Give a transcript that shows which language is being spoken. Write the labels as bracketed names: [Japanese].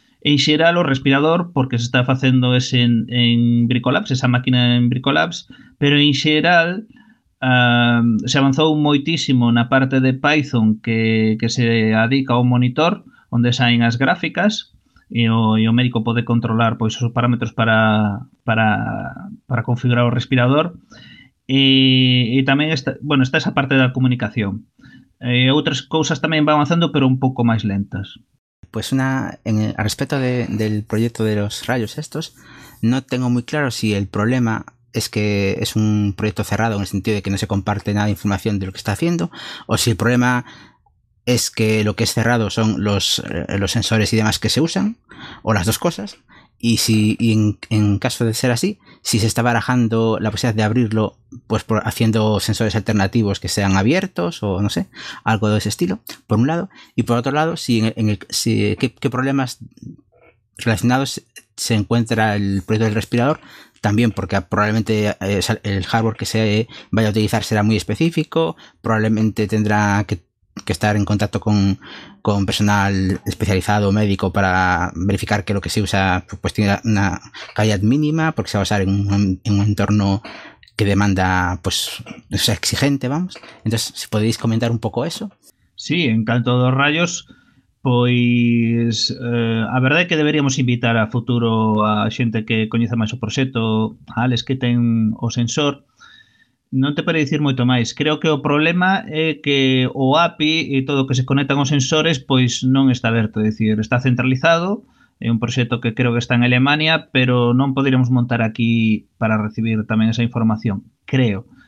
[Galician] En xeral, o respirador, porque se está facendo ese en Bricolabs, esa máquina en Bricolabs, pero en xeral se avanzou moitísimo na parte de Python que se adica ao monitor, onde saen as gráficas e o médico pode controlar pois os parámetros para configurar o respirador. E tamén está esa parte da comunicación. Outras cousas tamén van avanzando, pero un pouco máis lentas. [Spanish] Pues a respecto del proyecto de los rayos estos, no tengo muy claro si el problema es que es un proyecto cerrado en el sentido de que no se comparte nada de información de lo que está haciendo, o si el problema es que lo que es cerrado son los sensores y demás que se usan, o las dos cosas. Y en caso de ser así, si se está barajando la posibilidad de abrirlo, pues haciendo sensores alternativos que sean abiertos o no sé, algo de ese estilo, por un lado. Y por otro lado, qué problemas relacionados se encuentra el proyecto del respirador también, porque probablemente el hardware que se vaya a utilizar será muy específico, probablemente tendrá que estar en contacto con personal especializado médico para verificar que lo que se usa pues tiene una calidad mínima, porque se va a usar en un entorno que demanda, pues o sea, exigente, vamos. Entonces, si podéis comentar un poco eso. [Galician] Sí, en canto dos rayos, pois a verdade é que deberíamos invitar a futuro a xente que coñece máis o proxecto, a Alex que ten o sensor. Non te pode dicir moito máis. Creo que o problema é que o API e todo o que se conectan aos sensores pois non está aberto. É dicir, está centralizado, é un proxecto que creo que está en Alemania, pero non poderíamos montar aquí para recibir tamén esa información. Creo.